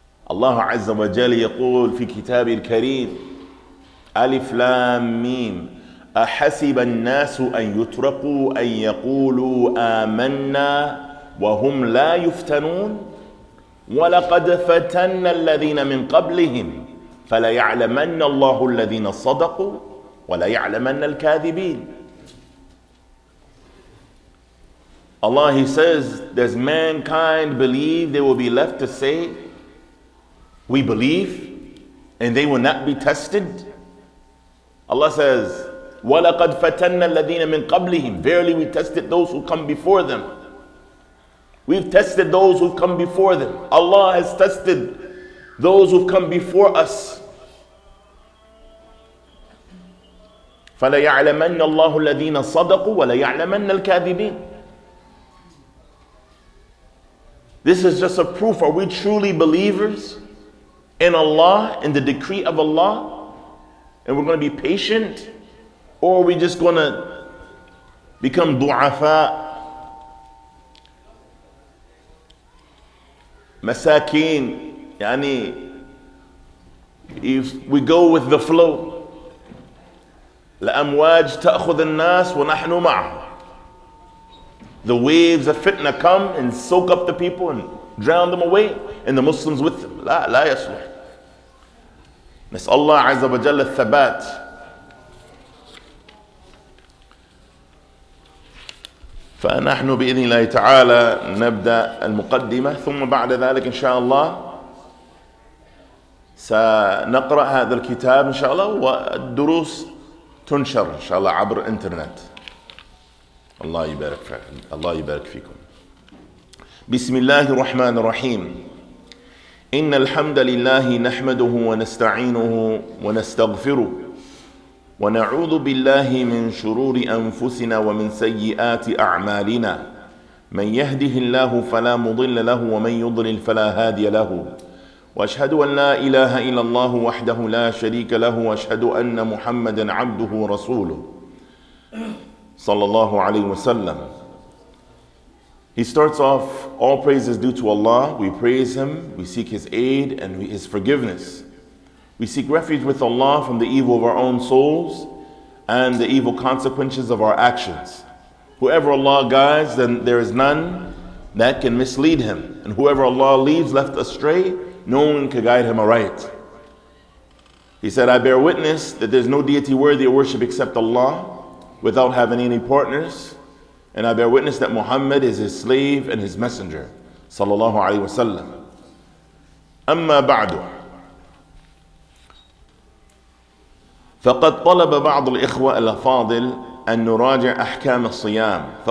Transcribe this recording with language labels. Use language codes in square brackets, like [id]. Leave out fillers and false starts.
[ar] الله عز وجل يقول في كتاب الكريم ألف لام ميم أحسب الناس أن يتركوا أن يقولوا آمنا وهم لا يفتنون ولقد فتن الذين من قبلهم فليعلمن الله الذين صدقوا وليعلمن الكاذبين. [en] Allah, he says, does mankind believe they will be left to say, we believe, and they will not be tested? Allah says, [ar] وَلَقَدْ فَتَنَّ الَّذِينَ مِنْ قَبْلِهِمْ. [en] Verily we tested those who come before them. We've tested those who've come before them. Allah has tested those who've come before us. [ar] فَلَيَعْلَمَنَّ اللَّهُ الَّذِينَ صَدَقُوا وَلَيَعْلَمَنَّ الْكَاذِبِينَ. [en] This is just a proof. Are we truly believers in Allah, in the decree of Allah? And we're going to be patient? Or are we just going to become du'afa? [ar] Masakin. Yani, [en] if we go with the flow. [ar] لأمواج تأخذ الناس ونحن معه. [en] The waves of fitna come and soak up the people and drown them away, and the Muslims with them. [ar] لا لا يصلح. نسأل الله عز وجل الثبات. فنحن بإذن الله تعالى نبدأ المقدمة ثم بعد ذلك إن شاء الله سنقرأ هذا الكتاب إن شاء الله والدروس تنشر إن شاء الله عبر الإنترنت. الله يبارك فيكم. الله يبارك فيكم. بسم الله الرحمن الرحيم. إن الحمد لله نحمده ونستعينه ونستغفره ونعوذ بالله من شرور أنفسنا ومن سيئات أعمالنا. من يهده الله فلا مضل له ومن يضلل فلا هادي له. وأشهد أن لا إله إلا الله وحده لا شريك له وأشهد أن محمدا عبده ورسوله. صلى الله عليه وسلم. [en] He starts off, all praise is due to Allah. We praise Him, we seek His aid and His forgiveness. We seek refuge with Allah from the evil of our own souls and the evil consequences of our actions. Whoever Allah guides, then there is none that can mislead Him. And whoever Allah leaves left astray, no one can guide Him aright. He said, I bear witness that there's no deity worthy of worship except Allah, without having any partners, and I bear witness that Muhammad is his slave and his messenger, sallallahu alaihi wasallam. [ar] Amma ba'du. فقد طلب بعض الإخوة الأفاضل أن نراجع أحكام الصيام.